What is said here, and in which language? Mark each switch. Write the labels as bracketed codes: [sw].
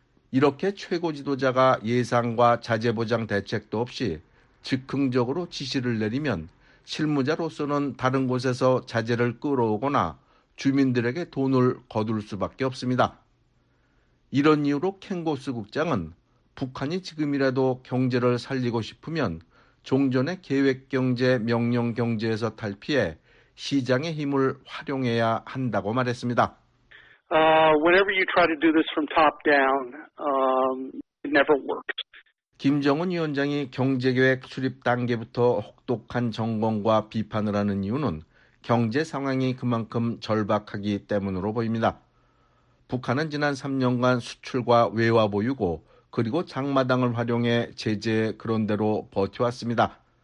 [ko] 이렇게 최고 지도자가 예산과 자재보장 대책도 없이 즉흥적으로 지시를 내리면 실무자로서는 다른 곳에서 자재를 끌어오거나 주민들에게 돈을 거둘 수밖에 없습니다. 이런 이유로 켄고스 국장은 북한이 지금이라도 경제를 살리고 싶으면 종전의 계획경제, 명령경제에서 탈피해 시장의 힘을 활용해야 한다고 말했습니다. [en] Whenever you try to do this from top down, it never works. [ko] 김정은 위원장이 경제계획 수립 단계부터 혹독한 점검과 비판을 하는 이유는 경제 상황이 그만큼 절박하기 때문으로 보입니다. 북한은 지난 3년간 수출과 외화 보유고 그리고 장마당을 활용해 제재 그런 대로 버텨왔습니다.